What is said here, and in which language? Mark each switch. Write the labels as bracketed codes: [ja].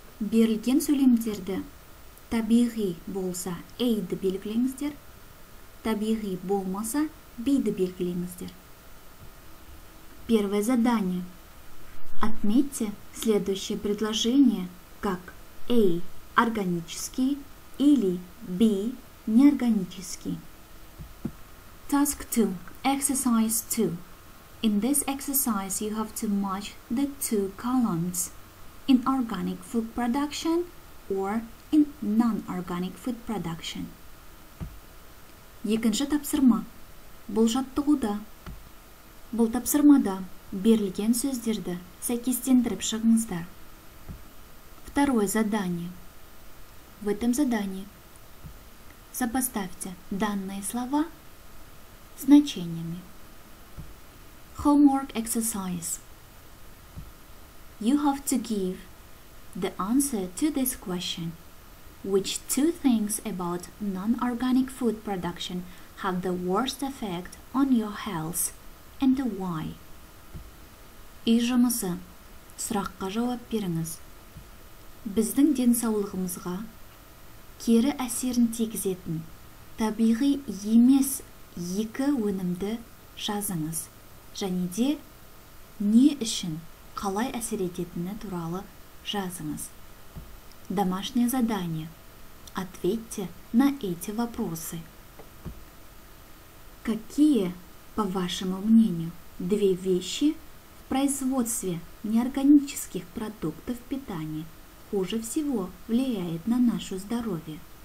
[kk] Берілген сөйлемдерді табиғи болса A-ді белгілеңіздер, табиғи болмаса B-ді белгілеңіздер. [ru] Первое задание. Отметьте следующее предложение как A – органический или B – неорганический. [en] Task 2. Exercise 2. In this exercise, you have to match the two columns in organic food production or in non-organic food production. [kk] Екінші тапсырма. Бұл жаттығуда. Бұл тапсырмада берілген сөздерді сәйкестендіріп шығыңыздар. [ru] Второе задание. В этом задании сопоставьте данные слова значениями. [en] Homework exercise. You have to give the answer to this question. Which two things about non-organic food production have the worst effect on your health? And why? [kk] Үй жұмысы. Сұраққа жауап беріңіз. Біздің денсаулығымызға кері әсерін тигізетін табиғи емес екі өнімді жазыңыз. Және де не үшін қалай әсер ететіні туралы жазыңыз. [ru] Домашнее задание. Ответьте на эти вопросы. Какие, по вашему мнению, две вещи в производстве неорганических продуктов питания хуже всего влияет на наше здоровье?